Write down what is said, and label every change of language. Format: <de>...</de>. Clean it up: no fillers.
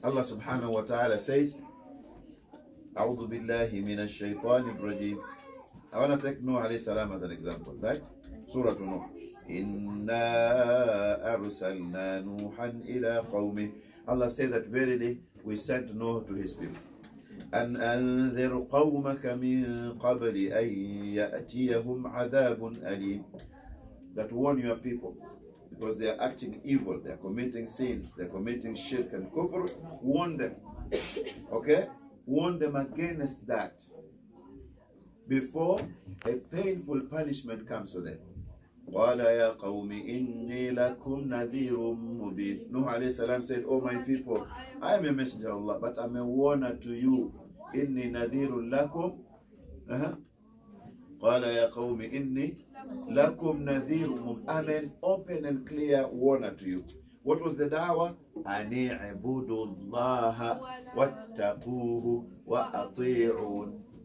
<en>Allah subhanahu wa ta'ala says,</en> <ar>A'udhu billahi minash shaitanir rajim.</ar> <en>I want to take Noah alayhi salam as an example, right? Surah Noah.</en> <ar>Inna arsalna Nuhan ila qawmi.</ar> <en>Allah said that verily we sent Noah to his people.</en> <ar>أن أنذر قومك من قبل أن يأتيهم عذاب أليم.</ar> <en>That warn your people, because they are acting evil, they are committing sins, they are committing shirk and kufr. Warn them, okay? Warn them against that before a painful punishment comes to them.</en> <ar>قال يا قوم إني لكم نذير مبين.</ar> <en>Nuh alayhi salam said, Oh my people, I am a messenger of Allah, but I'm a warner to you.</en> <ar>إني نذير لكم. قال يا قوم إني لكم نذير مبين.</ar> <en>I'm an open and clear warner to you. What was the da'wah?</en> <ar>أن اعبدوا الله واتقوه وأطيعون.</ar>